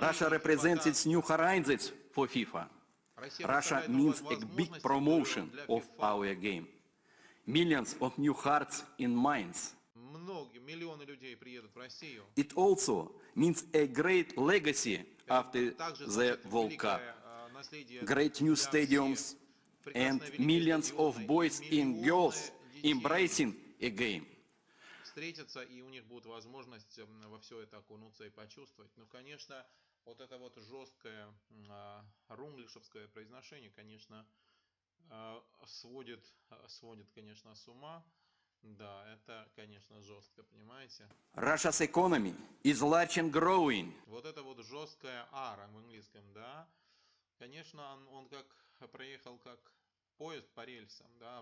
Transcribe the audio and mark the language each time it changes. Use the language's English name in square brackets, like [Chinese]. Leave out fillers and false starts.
[English] Russia represents its new horizons for FIFA. Russia means a big promotion of our game. Millions of new hearts and minds. [Russian] Многие миллионы людей приедут в Россию. [English] It also means a great legacy after the World Cup. Great new stadiums and millions of boys and girls embracing a game. [Russian] Встретятся, и у них будет возможность во все это окунуться и почувствовать. Ну, конечно, вот это вот жесткое рунглишевское произношение, конечно, сводит, конечно, с ума. Да, это, конечно, жестко, понимаете? [English] Russia's economy is large and growing. [Russian] Вот это вот жесткое R в английском, да. Конечно, он как проехал как поезд по рельсам, да.